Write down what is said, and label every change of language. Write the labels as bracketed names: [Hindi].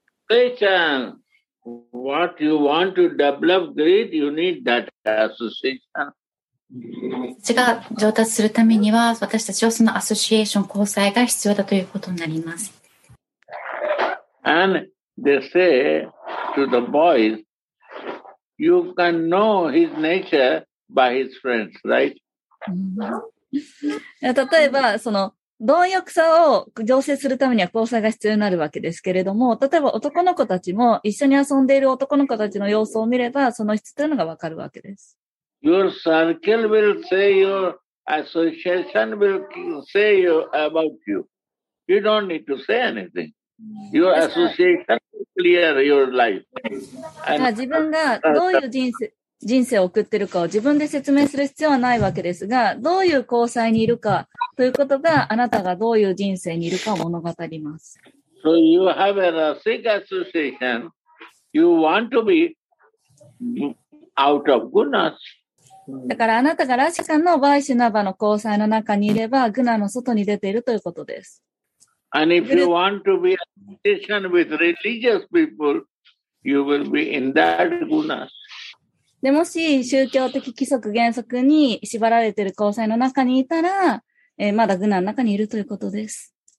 [English] Satan, what you want to develop great, you need that association. [Japanese] 私が上達するためには私たちはそのアソシエーション交際が必要だということになります。 [English] And they say to the boys, you can know his nature by his friends, right? [Japanese] 例えばその貪欲さを醸成するためには交際が必要になるわけですけれども、例えば男の子たちも一緒に遊んでいる男の子たちの様子を見ればその質というのがわかるわけです。 [English] Your circle will say your association will say you about you. You don't need to say anything. Your association will clear your life. [Japanese] And, 自分がどういう人生を送ってるかを自分で説明する必要はないわけですが、どういう交際にいるかということがあなたがどういう人生にいるかを物語ります。 [English] So you have a Rasik association. You want to be out of goodness. [Japanese] だからあなたがラシカのバイシュナバの交際の中にいれば、グナの外に出ているということです。 [English] And if you want to be a position with religious people, you will be in that guna. [Japanese] でもし宗教的規則原則に縛られている交際の中にいたら、まだグナの中にいるということです。